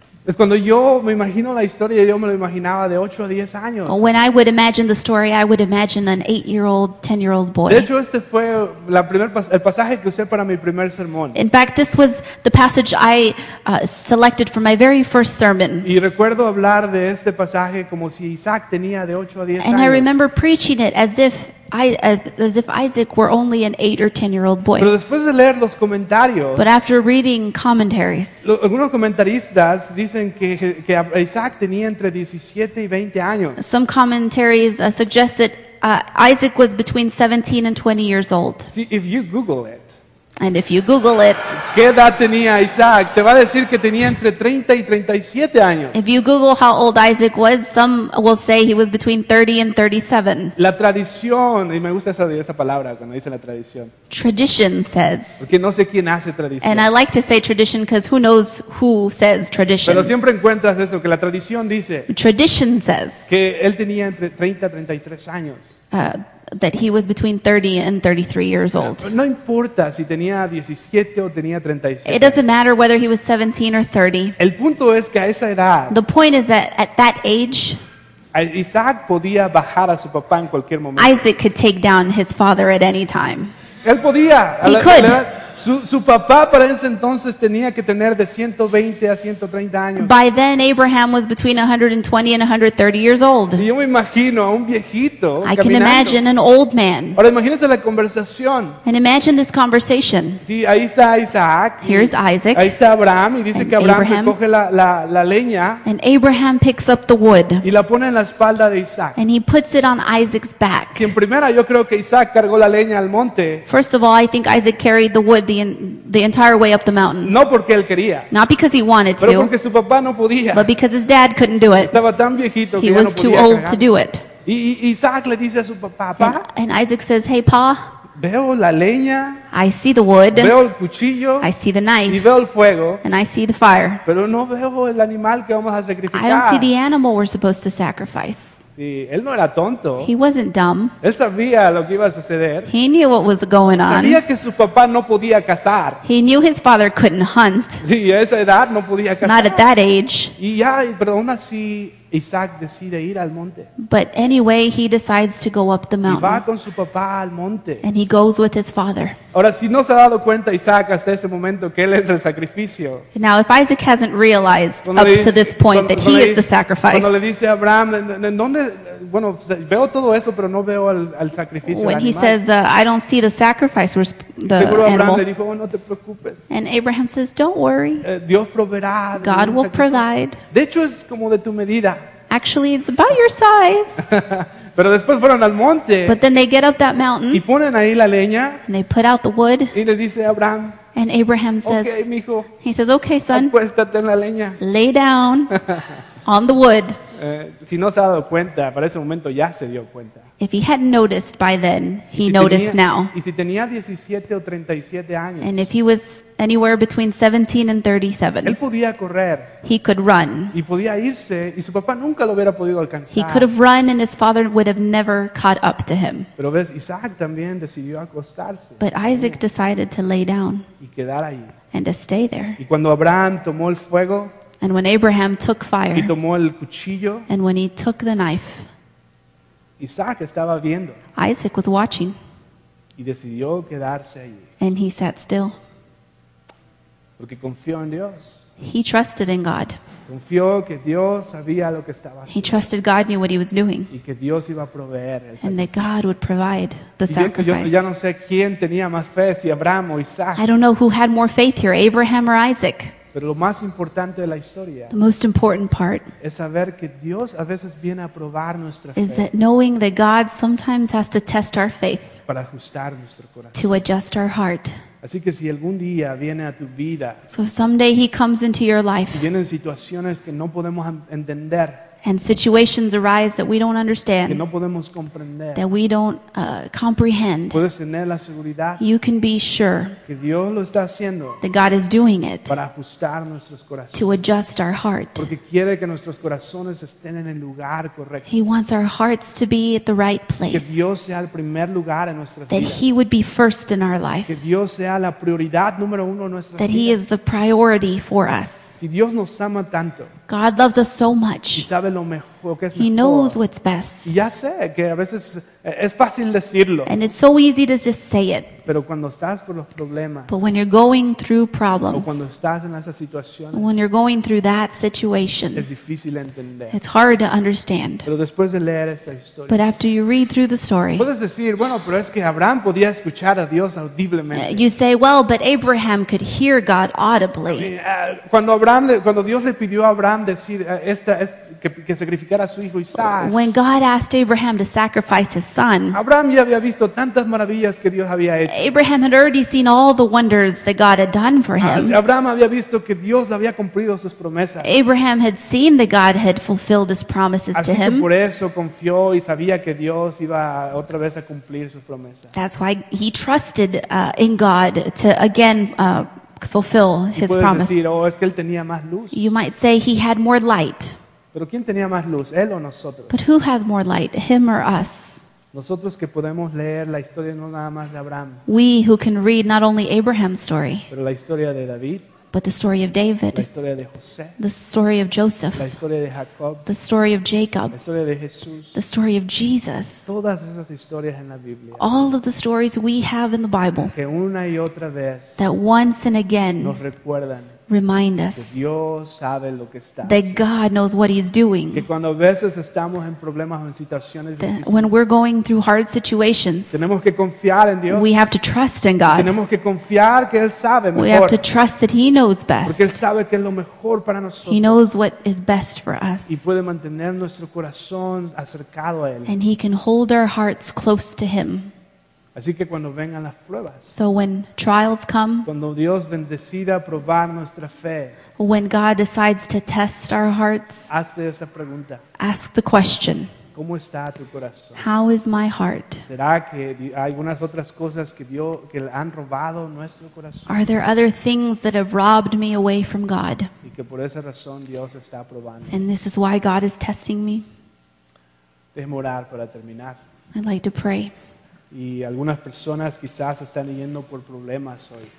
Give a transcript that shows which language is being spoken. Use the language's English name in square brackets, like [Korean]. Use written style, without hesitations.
[Spanish] Es cuando yo me imagino la historia, yo me lo imaginaba de 8 a 10 años. [English] When I would imagine the story, I would imagine an 8-year-old, 10-year-old boy. [Spanish] De hecho, este fue la primer el pasaje que usé para mi primer sermón. [English] In fact, this was the passage I selected for my very first sermon. [Spanish] Y recuerdo hablar de este pasaje como si Isaac tenía de 8 a 10 años. [English] And I remember preaching it as if Isaac were only an 8 or 10-year-old boy. [Spanish] Pero después de leer los comentarios, [English] but after reading commentaries, [Spanish] algunos comentaristas dicen que Isaac tenía entre 17 y 20 años. [English] Some commentaries suggest that Isaac was between 17 and 20 years old. See, if you Google it, and if you Google it, [Spanish] ¿qué edad tenía Isaac? Te va a decir que tenía entre 30 y 37 años. [English] If you Google how old Isaac was, some will say he was between 30 and 37. [Spanish] La tradición, y me gusta esa palabra cuando dice la tradición. [English] Tradition says. [Spanish] Porque no sé quién hace tradición. [English] And I like to say tradition because who knows who says tradition. [Spanish] Pero siempre encuentras eso, que la tradición dice. [English] Tradition says. [Spanish] Que él tenía entre 30 y 33 años. [English] That he was between 30 and 33 years old. [Spanish] No importa si tenía 17 o tenía 37. [English] It doesn't matter whether he was 17 or 30. [Spanish] El punto es que a esa edad, [English] the point is that at that age, [Spanish] Isaac podía bajar a su papá en cualquier momento. [English] Isaac could take down his father at any time. [Spanish] Él podía. [English] He could. [Spanish] Su papá para ese entonces tenía que tener de 120 a 130 años. [English] By then Abraham was between 120 and 130 years old. [Spanish] Y yo me imagino a un viejito caminando. [English] I can imagine an old man. [Spanish] Ahora imagínense la conversación. [English] And imagine this conversation. [Spanish] Sí, ahí está Isaac. [English] Here's Isaac. [Spanish] Ahí está Abraham y dice que Abraham coge la leña. [English] And Abraham picks up the wood. [Spanish] Y la pone en la espalda de Isaac. [English] And he puts it on Isaac's back. [Spanish] Sí, en primera yo creo que Isaac cargó la leña al monte. [English] First of all, I think Isaac carried the wood the entire way up the mountain. [Spanish] No porque él quería. [English] Not because he wanted to. [Spanish] Pero porque su papá no podía. [English] But because his dad couldn't do it. [Spanish] Estaba tan viejito que [English] he was [Spanish] no podía [English] too old [Spanish] cargar. [English] To do it. [Spanish] Y Isaac le dice a su papá, pa. [English] And Isaac says, hey, pa. [Spanish] Veo la leña. [English] I see the wood. [Spanish] Veo el cuchillo. [English] I see the knife. [Spanish] Y veo el fuego. [English] And I see the fire. [Spanish] Pero no veo el animal que vamos a sacrificar. [English] I don't see the animal we're supposed to sacrifice. [Spanish] Sí, él no era tonto. [English] He wasn't dumb. [Spanish] Él sabía lo que iba a suceder. [English] He knew what was going on. [Spanish] Sabía que su papá no podía cazar. [English] He knew his father couldn't hunt. [Spanish] Sí, a esa edad no podía cazar. [English] Not at that age. [Spanish] Y ya, pero aún así, Isaac decide ir al monte. [English] But anyway, he decides to go up the mountain. [Spanish] Y va con su papá al monte. [English] And he goes with his father. [Spanish] Ahora, si no se ha dado cuenta Isaac hasta ese momento que él es el sacrificio. [English] Now, if Isaac hasn't realized up to this point that he is the sacrifice. [Spanish] Cuando le dice a Abraham, ¿en dónde? Bueno, veo todo eso, pero no veo al sacrificio. [English] When he says, I don't see the sacrifice, the animal. [Spanish] Seguro Abraham le dijo, no te preocupes. [English] And Abraham says, don't worry. [Spanish] Dios proveerá. [English] God will provide. [Spanish] De hecho, es como de tu medida. [English] Actually, it's about your size. [Spanish] Pero después fueron al monte. [English] But then they get up that mountain. [Spanish] Y ponen ahí la leña. [English] And they put out the wood. [Spanish] Y le dice Abraham. [English] And Abraham says, [Spanish] okay, mijo. [English] He says, okay, son. [Spanish] Acuéstate en la leña. [English] Lay down on the wood. [Spanish] Si no se ha dado cuenta, para ese momento ya se dio cuenta. [English] If he hadn't noticed by then, he noticed now. [Spanish] Y si tenía 17 o 37 años. [English] And if he was anywhere between 17 and 37. [Spanish] Él podía correr. [English] He could run. [Spanish] Y podía irse y su papá nunca lo hubiera podido alcanzar. [English] He could have run and his father would have never caught up to him. [Spanish] Pero ves, Isaac también decidió acostarse. [English] But Isaac decided to lay down. [Spanish] Y quedar ahí. [English] And to stay there. [Spanish] Y cuando Abraham tomó el fuego. [English] And when Abraham took fire. [Spanish] Y tomó el cuchillo. [English] And when he took the knife. [Spanish] Isaac estaba viendo. [English] Isaac was watching. [Spanish] Y decidió quedarse allí. [English] And he sat still. [Spanish] Porque confió en Dios. [English] He trusted in God. [Spanish] Confió que Dios sabía lo que estaba haciendo. [English] He trusted God knew what he was doing. [Spanish] Y que Dios iba a proveer el [English] sacrificio. And that God would provide the sacrifice. [Spanish] Yo ya no sé quién tenía más fe, si Abraham o Isaac. [English] I don't know who had more faith here, Abraham or Isaac. [Spanish] Pero lo más importante de la historia, [English] the most important part, [Spanish] es saber que Dios a veces viene a probar nuestra fe. [English] Is that knowing that God sometimes has to test our faith. [Spanish] Para ajustar nuestro corazón. [English] To adjust our heart. [Spanish] Así que si algún día viene a tu vida, [English] so someday he comes into your life. [Spanish] Y vienen situaciones que no podemos entender. [English] And situations arise that we don't understand. [Spanish] Que no podemos comprender. [English] That we don't comprehend. [Spanish] Puedes tener la seguridad. [English] You can be sure. [Spanish] Que Dios lo está haciendo. [English] That God is doing it. [Spanish] Para ajustar nuestros corazones. [English] To adjust our heart. [Spanish] Porque quiere que nuestros corazones estén en el lugar correcto. [English] He wants our hearts to be at the right place. [Spanish] Que Dios sea el primer lugar en nuestras vidas. [English] That He would be first in our life. [Spanish] Que Dios sea la prioridad número uno en nuestras vidas. [English] That He is the priority for us. [Spanish] si Dios nos ama tanto, [English] God loves us so much. [Spanish] Y sabe lo mejor, que es [English] He [Spanish] mejor, [English] knows what's best. [Spanish] Y ya sé que a veces es fácil decirlo. [English] And it's so easy to just say it. [Spanish] Pero cuando estás por los problemas, [English] but when you're going through problems, [Spanish] o cuando estás en esas situaciones, [English] when you're going through that situation, [Spanish] es difícil entender. [English] It's hard to understand. [Spanish] Pero después de leer esa historia, [English] but after you read through the story, [Spanish] puedes decir, bueno, pero es que Abraham podía escuchar a Dios audiblemente. [English] You say, well, but Abraham could hear God audibly. [Spanish] Cuando Dios le pidió a Abraham decir que sacrificara a su hijo Isaac, [English] when God asked Abraham to sacrifice his son, [Spanish] Abraham ya había visto tantas maravillas que Dios había hecho. [English] Abraham had already seen all the wonders that God had done for him. [Spanish] Abraham había visto que Dios le había cumplido sus promesas. [English] Abraham had seen that God had fulfilled his promises [Spanish] así [English] to him. [Spanish] Así que por eso confió y sabía que Dios iba otra vez a cumplir sus promesas. [English] That's why he trusted in God to again fulfill his promise. [Spanish] Y puedes decir, oh, es que él tenía más luz. [English] You might say he had more light. [Spanish] ¿Pero quién tenía más luz, él o nosotros? [English] But who has more light, him or us? [Spanish] Nosotros que podemos leer la historia no nada más de Abraham. [English] We who can read not only Abraham's story. [Spanish] Pero la historia de David. [English] But the story of David. [Spanish] La historia de José. [English] The story of Joseph. [Spanish] La historia de Jacob. [English] The story of Jacob. [Spanish] La historia de Jesús. [English] The story of Jesus. [Spanish] Todas esas historias en la Biblia. [English] All of the stories we have in the Bible. [Spanish] Que una y otra vez. [English] That once and again. [Spanish] Nos recuerdan. [English] Remind us [Spanish] que Dios sabe lo que está [English] that haciendo. God knows what He's doing. [Spanish] Que cuando a veces estamos en problemas o en situaciones [English] that difíciles, when we're going through hard situations, [Spanish] tenemos que confiar en Dios. [English] We have to trust in God. [Spanish] Tenemos que confiar que Él sabe mejor. [English] We have to trust that He knows best. [Spanish] Porque Él sabe que es lo mejor para nosotros. [English] He knows what is best for us. [Spanish] Y puede mantener nuestro corazón acercado a Él. [English] And He can hold our hearts close to Him. [Spanish] Así que cuando vengan las pruebas, [English] so when trials come, [Spanish] cuando Dios bendecida a probar nuestra fe, [English] when God decides to test our hearts, [Spanish] hazte esa pregunta, [English] ask the question, [Spanish] ¿cómo está tu corazón? [English] How is my heart? [Spanish] ¿Será que hay algunas otras cosas que Dios que han robado nuestro corazón? [English] Are there other things that have robbed me away from God? [Spanish] Y que por esa razón Dios está probando. [English] And this is why God is testing me. [Spanish] Déjame orar para terminar. [English] I'd like to pray. [Spanish] Y algunas personas quizás están yendo por problemas hoy.